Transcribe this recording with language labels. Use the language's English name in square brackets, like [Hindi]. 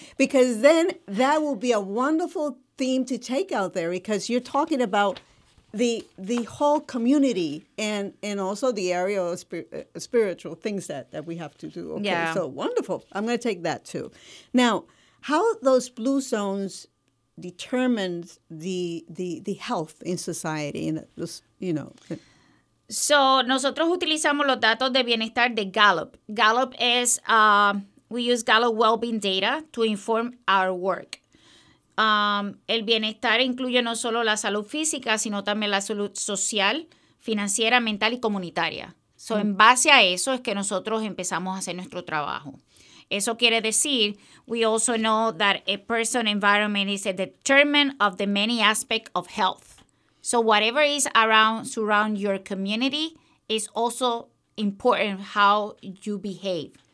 [English] Because then that will be a wonderful theme to take out there, because you're talking about the whole community and also the area of spiritual things that we have to do. Okay, yeah. So wonderful. I'm going to take that too. Now, how those Blue Zones determines the health in society, [Spanish] So nosotros utilizamos los datos de bienestar de Gallup. Gallup es [English] We use Gallup Wellbeing data to inform our work. [Spanish] El bienestar incluye no solo la salud física, sino también la salud social, financiera, mental y comunitaria. So, en base a eso es que nosotros empezamos a hacer nuestro trabajo. Eso quiere decir, [English] we also know that a person's environment is a determinant of the many aspects of health. So whatever is around, surround your community, is also important how you behave.